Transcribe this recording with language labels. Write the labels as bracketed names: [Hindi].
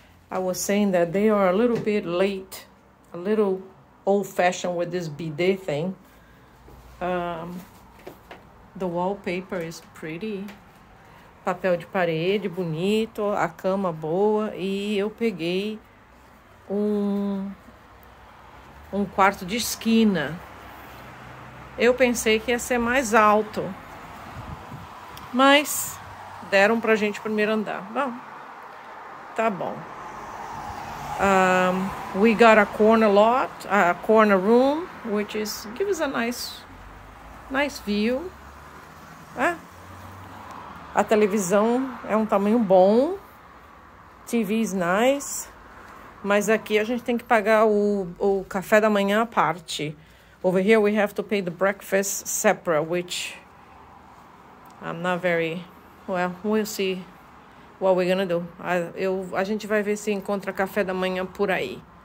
[English] I was saying that they are a little bit late, a little old-fashioned with this bidet thing. The wallpaper is pretty. [Portuguese] Papel de parede bonito, a cama boa. E eu peguei um quarto de esquina. Eu pensei que ia ser mais alto, mas deram pra gente primeiro andar. Bom, tá bom. [English] We got a corner lot, a corner room, which is gives a nice view. [Portuguese] É. A televisão é um tamanho bom. [English] TV is nice. [Portuguese] Mas aqui a gente tem que pagar o café da manhã à parte. [English] Over here we have to pay the breakfast separate, which I'm not very well. We'll see what we're gonna do. [Portuguese] A gente vai ver se encontra café da manhã por aí.